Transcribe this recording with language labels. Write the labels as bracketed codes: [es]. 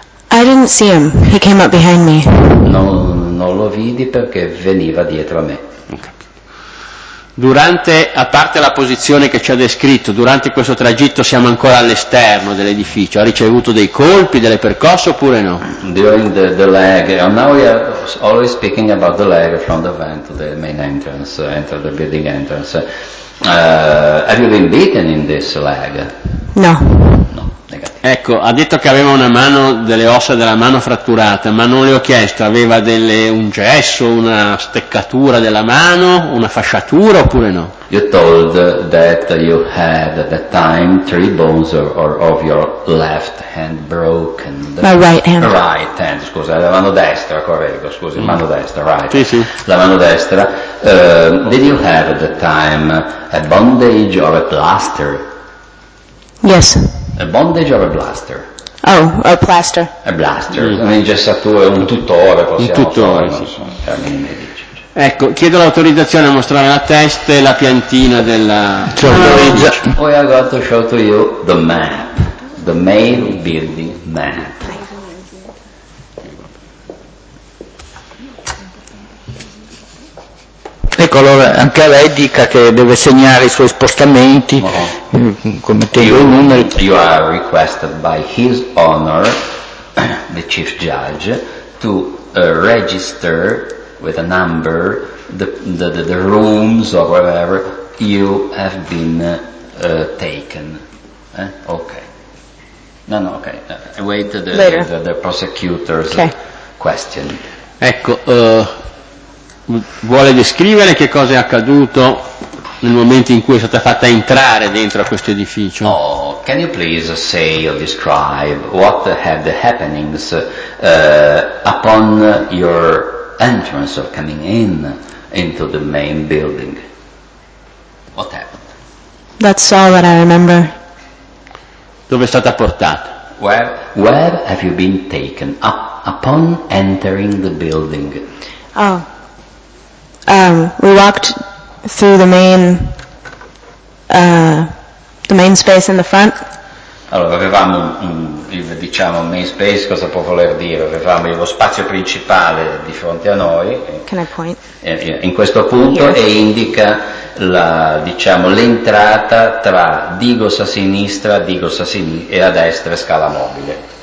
[en] I didn't see him. He came up behind me. [it] Non lo vidi perché veniva dietro a me. Durante, a parte la posizione che ci ha descritto, durante questo tragitto siamo ancora all'esterno dell'edificio. Ha ricevuto dei colpi, delle percosse oppure no? [en] During the leg, now we are always speaking about the leg from the van to the main entrance, enter the building entrance. Have you been beaten in this leg? No. [it] No, negativo. Ecco, ha detto che aveva una mano, delle ossa della mano fratturata, ma non le ho chiesto, aveva un gesso, una steccatura della mano, una fasciatura oppure no? [en] You told that you had at that time three bones of your left hand broken. My right hand. [it] Right hand, scusa, la mano destra, correggo, scusi, mano destra, right. Sì, sì. La mano destra. [en] Did you have at that time a bandage or a plaster? Yes. A bandage or a blaster? Oh, a plaster. [it] A blaster, un'ingessatura, un tutore, possiamo dire. Un tutore, sì. Ecco, chiedo l'autorizzazione a mostrare la testa e la piantina della cerveggia. [en] Poi I got to show to you the map, the main building map. [it] Ecco, allora anche a lei dica che deve segnare i suoi spostamenti, come tengo i numeri. [en] You are requested by his honor, the chief judge, to register with a number the rooms or wherever you have been taken. Eh? Okay. No, okay. Wait the prosecutor's question. [it] Ecco, vuole descrivere che cosa è accaduto nel momento in cui è stata fatta entrare dentro a questo edificio? [en] Oh, can you please say or describe what had the happenings upon your entrance of coming into the main building? What happened? That's all that I remember. [it] Dove è stata portata? [en] Where have you been taken upon entering the building? Oh. We walked through the main space in the front. [it] Allora, avevamo un main space, cosa può voler dire? Avevamo lo spazio principale di fronte a noi. [en] Can I point? [it] In questo punto e indica l'entrata tra Digos a sinistra, Digos a sinistra e a destra scala mobile.